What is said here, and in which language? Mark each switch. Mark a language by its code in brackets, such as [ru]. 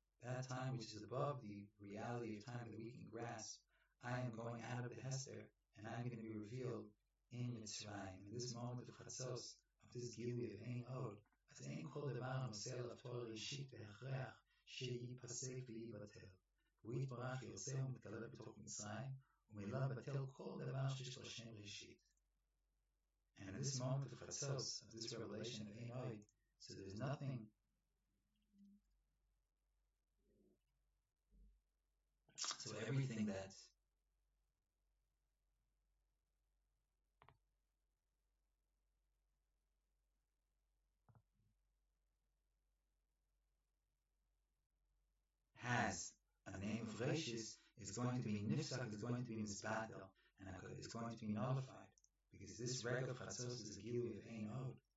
[en] That time which is above the reality of time that we can grasp, I am going out of the Hester, and I'm going to be revealed in Mitzrayim. In this moment of Chatzos, of this Gili of Ein Od, [he] אז אין כל דבר הנושא על התואר אישית בהכרח שייפסק וייבטל. והוא יתברך יוצא ומתגלה בתוך מצרים, ומילא לבטל כל דבר שיש לו שם ראשית. [en] And at this moment of Chatzos, of this revelation of Ein Od, so there's nothing. So everything that has a name of Reishis is going to be Nifsak, is going to be Mizbatel, and it's going to be nullified, because this Rekha of Chatzos is a Gili of Ein Od.